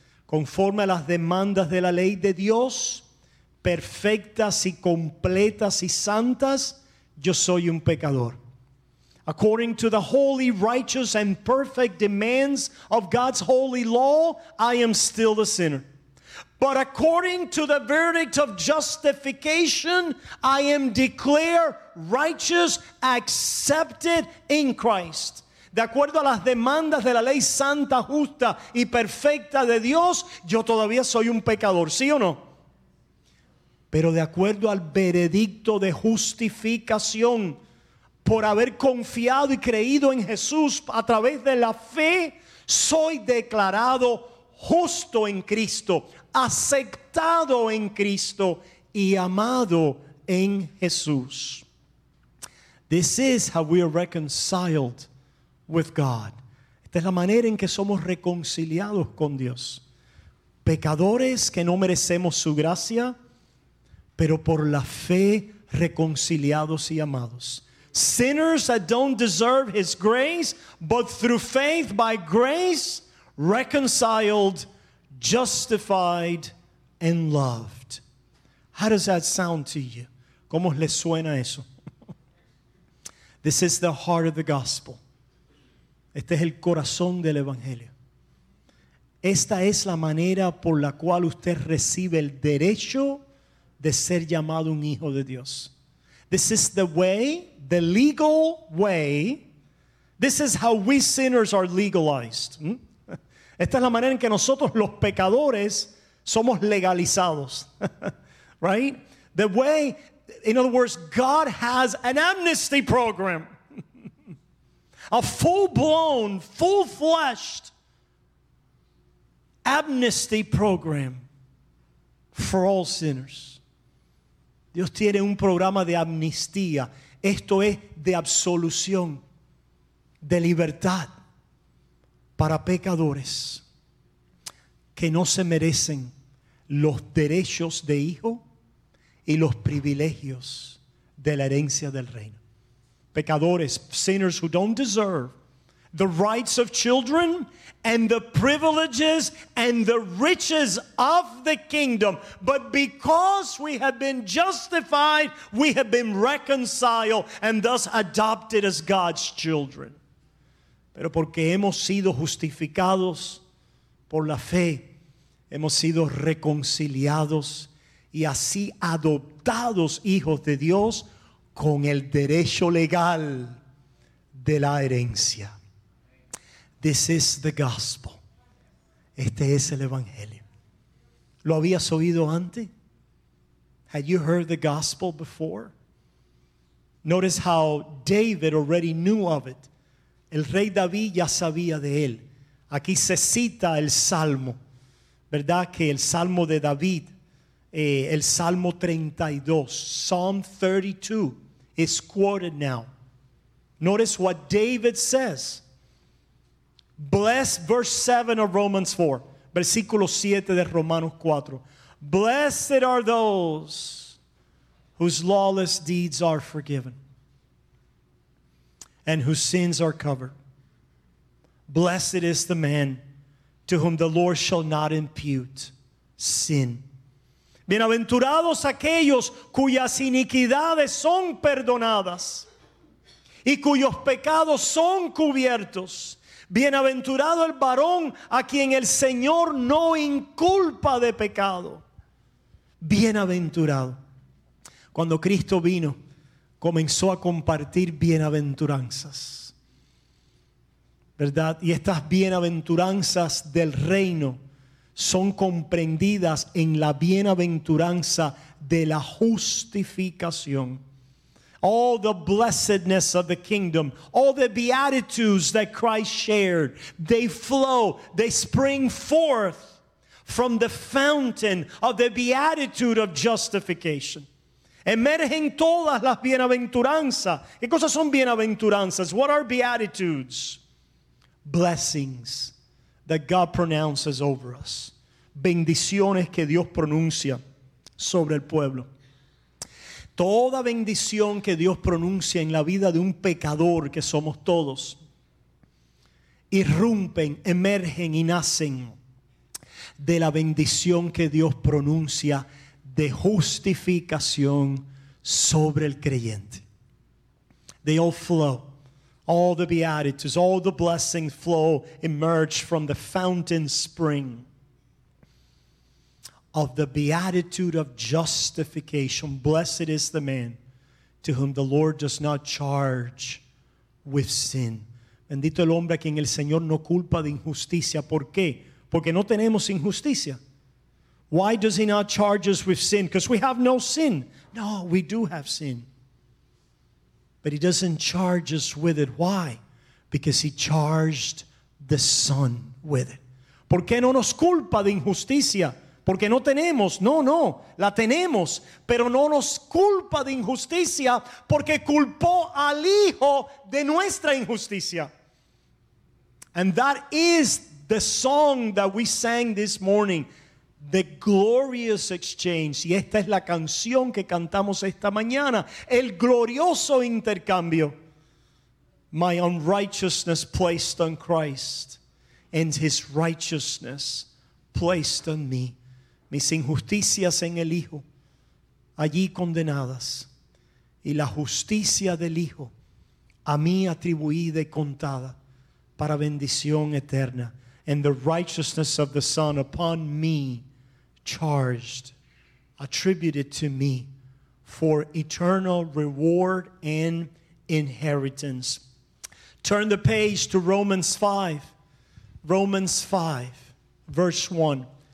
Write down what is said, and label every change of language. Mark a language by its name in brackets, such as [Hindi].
[Spanish] Conforme a las demandas de la ley de Dios, perfectas y completas y santas, yo soy un pecador. [English] According to the holy, righteous, and perfect demands of God's holy law, I am still a sinner. But according to the verdict of justification, I am declared righteous, accepted in Christ. [Spanish] De acuerdo a las demandas de la ley santa, justa y perfecta de Dios, yo todavía soy un pecador, ¿sí o no? Pero de acuerdo al veredicto de justificación, por haber confiado y creído en Jesús a través de la fe, soy declarado justo en Cristo, aceptado en Cristo y amado en Jesús. [English] This is how we are reconciled with God. [Spanish] Esta es la manera en que somos reconciliados con Dios. Pecadores que no merecemos su gracia, pero por la fe reconciliados y amados. [English] Sinners that don't deserve his grace, but through faith, by grace, reconciled, justified, and loved. How does that sound to you? [Spanish] ¿Cómo les suena eso? [English] This is the heart of the gospel. [Spanish] Este es el corazón del evangelio. Esta es la manera por la cual usted recibe el derecho de ser llamado un hijo de Dios. [English] This is the way, the legal way. This is how we sinners are legalized. Esta es la manera en que nosotros los pecadores somos legalizados. Right? The way, in other words, God has an amnesty program. A full-blown, full-fleshed amnesty program for all sinners. [Spanish] Dios tiene un programa de amnistía. Esto es de absolución, de libertad para pecadores que no se merecen los derechos de hijo y los privilegios de la herencia del reino. [English] Pecadores, sinners who don't deserve the rights of children and the privileges and the riches of the kingdom. But because we have been justified, we have been reconciled and thus adopted as God's children. [Spanish] Pero porque hemos sido justificados por la fe, hemos sido reconciliados y así adoptados hijos de Dios con el derecho legal de la herencia. [English] This is the gospel. [Spanish] Este es el evangelio. ¿Lo habías oído antes? [English] Had you heard the gospel before? Notice how David already knew of it. [Spanish] El rey David ya sabía de él. Aquí se cita el salmo, ¿verdad? Que el salmo de David, el salmo 32, [English] Psalm 32, is quoted now. Notice what David says. Blessed, verse 7 of Romans 4. [Spanish] Versículo 7 de Romanos 4. [English] Blessed are those whose lawless deeds are forgiven and whose sins are covered. Blessed is the man to whom the Lord shall not impute sin. [Spanish] Bienaventurados aquellos cuyas iniquidades son perdonadas y cuyos pecados son cubiertos. Bienaventurado el varón a quien el Señor no inculpa de pecado. Bienaventurado. Cuando Cristo vino, comenzó a compartir bienaventuranzas, ¿verdad? Y estas bienaventuranzas del reino son comprendidas en la bienaventuranza de la justificación. [English] All the blessedness of the kingdom, all the beatitudes that Christ shared, they flow, they spring forth from the fountain of the beatitude of justification. [Spanish] Emergen todas las bienaventuranzas. ¿Qué cosas son bienaventuranzas? [English] What are beatitudes? Blessings that God pronounces over us. [Spanish] Bendiciones que Dios pronuncia sobre el pueblo. Toda bendición que Dios pronuncia en la vida de un pecador que somos todos, irrumpen, emergen y nacen de la bendición que Dios pronuncia de justificación sobre el creyente. [English] They all flow. All the beatitudes, all the blessings flow, emerge from the fountain spring. of the beatitude of justification. Blessed is the man to whom the Lord does not charge with sin. [Spanish] Bendito el hombre a quien el Señor no culpa de injusticia. ¿Por qué? Porque no tenemos injusticia. [English] Why does he not charge us with sin? Because we have no sin. No, we do have sin. But he doesn't charge us with it. Why? Because he charged the Son with it. [Spanish] ¿Por qué no nos culpa de injusticia? Porque no tenemos. No, no, la tenemos. Pero no nos culpa de injusticia porque culpó al Hijo de nuestra injusticia. [English] And that is the song that we sang this morning. The glorious exchange. [Spanish] Y esta es la canción que cantamos esta mañana. El glorioso intercambio. [English] My unrighteousness placed on Christ, and his righteousness placed on me. [Spanish] Mis injusticias en el Hijo, allí condenadas, y la justicia del Hijo, a mí atribuida y contada, para bendición eterna. [English] And the righteousness of the Son upon me, charged, attributed to me, for eternal reward and inheritance. Turn the page to Romans 5. Romans 5, verse 1.